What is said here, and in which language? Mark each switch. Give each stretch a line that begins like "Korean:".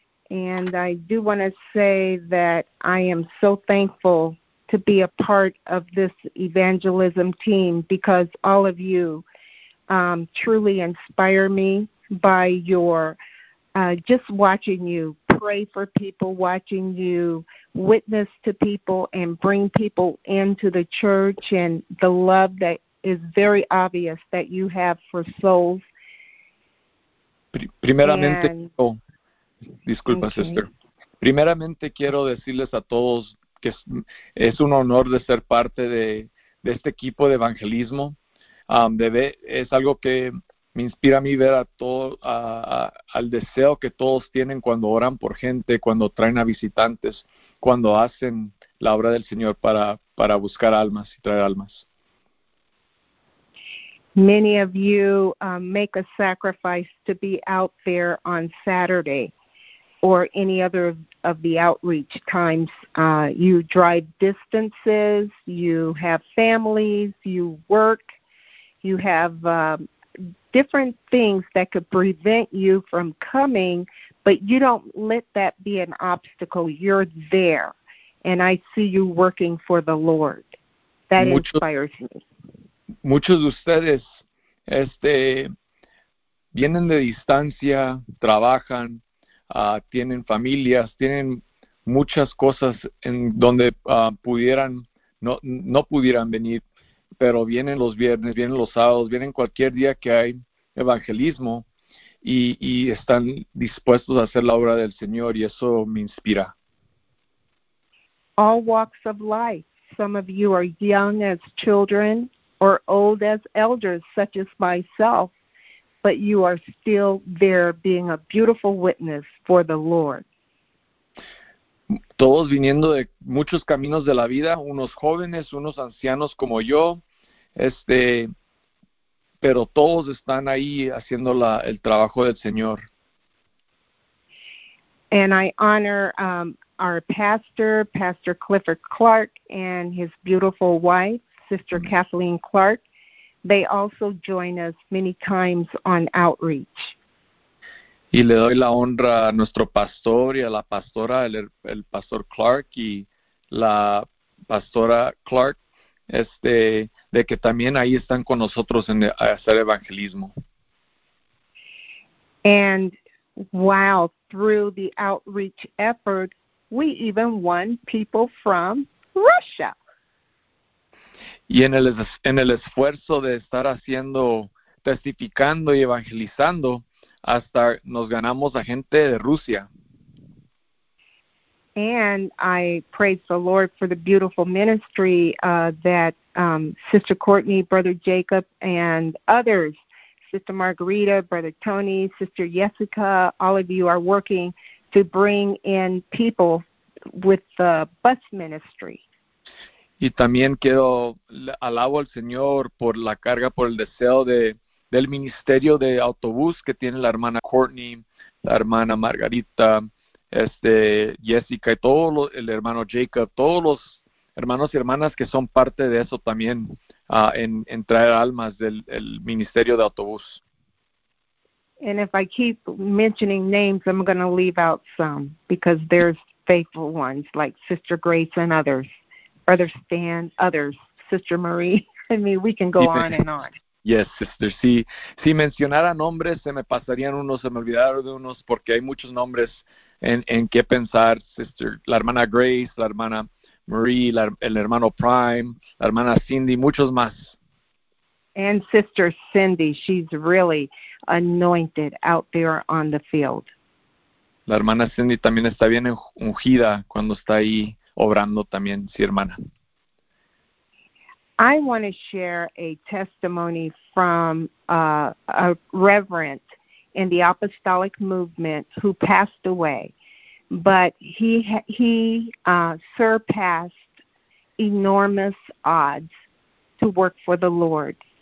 English: And I do want to say that I am so thankful to be a part of this evangelism team, because all of you truly inspire me by your just watching you pray for people, watching you witness to people and bring people into the church, and the love that is very obvious that you have for souls.
Spanish: Primeramente, disculpa, okay. Sister. Primeramente quiero decirles a todos que es un honor de ser parte de este equipo de evangelismo. Es algo que me inspira a mí ver a todo, al deseo que todos tienen cuando oran por gente, cuando traen a visitantes, cuando hacen la obra del Señor para buscar almas y traer almas.
English: Many of you make a sacrifice to be out there on Saturday or any other of the outreach times. You drive distances, you have families, you work, you have different things that could prevent you from coming, but you don't let that be an obstacle. You're there, and I see you working for the Lord. That inspires me.
Spanish: Muchos de ustedes vienen de distancia, trabajan, tienen familias, tienen muchas cosas en donde no pudieran venir, pero vienen los viernes, vienen los sábados, vienen cualquier día que hay evangelismo y están dispuestos a hacer la obra del Señor, y eso me inspira.
English: All walks of life. Some of you are young as children or old as elders, such as myself, but you are still there being a beautiful witness for the Lord.
Spanish: Todos viniendo de muchos caminos de la vida, unos jóvenes, unos ancianos como yo, pero todos están ahí haciendo el trabajo del Señor.
English: And I honor our pastor, Pastor Clifford Clark, and his beautiful wife, Sister Kathleen Clark. They also join us many times on outreach.
Spanish: Y le doy la honra a nuestro pastor y a la pastora, el pastor Clark y la pastora Clark, de que también ahí están con nosotros en hacer evangelismo.
English: And wow, through the outreach effort, we even won people from Russia.
Spanish: Y en el esfuerzo de estar haciendo, testificando y evangelizando, hasta nos ganamos a gente de Rusia.
English: And I praise the Lord for the beautiful ministry that Sister Courtney, Brother Jacob, and others, Sister Margarita, Brother Tony, Sister Jessica, all of you are working to bring in people with the bus ministry.
Spanish: Y también quiero alabo al Señor por la carga, por el deseo del ministerio de autobús que tiene la hermana Courtney, la hermana Margarita, Jessica y todo el hermano Jacob, todos los hermanos y hermanas que son parte de eso también, en traer almas del ministerio de autobús.
English: And if I keep mentioning names, I'm going to leave out some because there's faithful ones like Sister Grace and others, Brother Stan, others, Sister Marie. I mean, we can go on and on. Yes, Sister.
Spanish: Si mencionara nombres, se me pasarían unos, se me olvidaron de unos, porque hay muchos nombres en qué pensar, Sister. La hermana Grace, la hermana Marie, el hermano Prime, la hermana Cindy, muchos más.
English: And Sister Cindy, she's really anointed out there on the field.
Spanish: La hermana Cindy también está bien ungida cuando está ahí obrando también, sí, hermana.
English: I want to share a testimony from a reverend in the apostolic movement who passed away, but he surpassed enormous odds to work for the Lord.